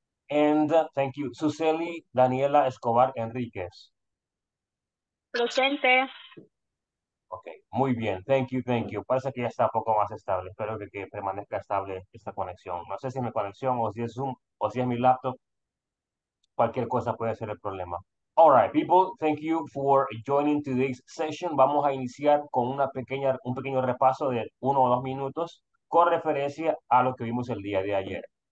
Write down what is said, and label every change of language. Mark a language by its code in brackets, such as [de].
[en] And thank you. Suseli Daniela Escobar Enríquez. [es] Presente. [en] Ok, [es] muy bien. [en] Thank you, thank you. [es] Parece que ya está un poco más estable. Espero que permanezca estable esta conexión. No sé si es mi conexión o si es Zoom o si es mi laptop. Cualquier cosa puede ser el problema. [en] All right, people, thank you for joining today's session. [es] Vamos a iniciar con un pequeño repaso de 1 o 2 minutos con referencia a lo que vimos el día de ayer.